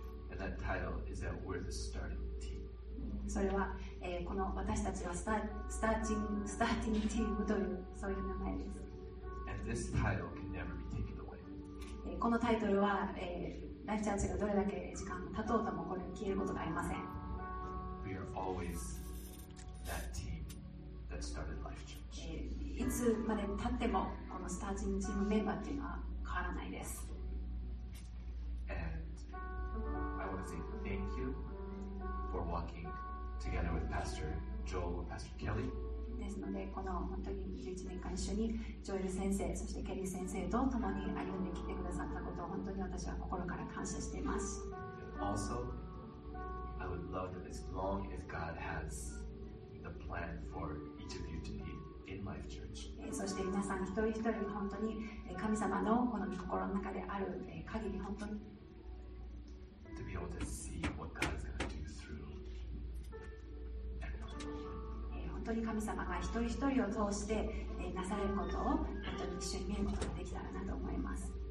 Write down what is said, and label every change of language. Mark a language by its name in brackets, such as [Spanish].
[English] And that title is that we're the starting team. [Japanese] それは、この私たちはスターティングチームというそういう名前です。 [English] And this title can never be taken away. [Japanese] このタイトルは、ライフチャーチがどれだけ時間経とうともこれ消えることがありません。 [English] We are always that team. [Japanese] いつまで経ってもこのスターティングチームメンバーというのは変わらないです。 [English] And I want to say thank you for walking together with Pastor Joel and Pastor Kelly. [Japanese] ですのでこの本当に11年間一緒にジョエル先生そしてケリー先生と共に歩んできてくださったことを本当に私は心から感謝しています。 [English] Also I would love that as long as God has the plan forEach of you to be in Life Church. [Japanese] そして皆さん一人一人に本当に神様のこの心の中である限り本当に [English] to be able to see what God is going to do through everyone. [Japanese] 本当に神様が一人一人を通してなされることを本当に一緒に見ることができたらなと思います。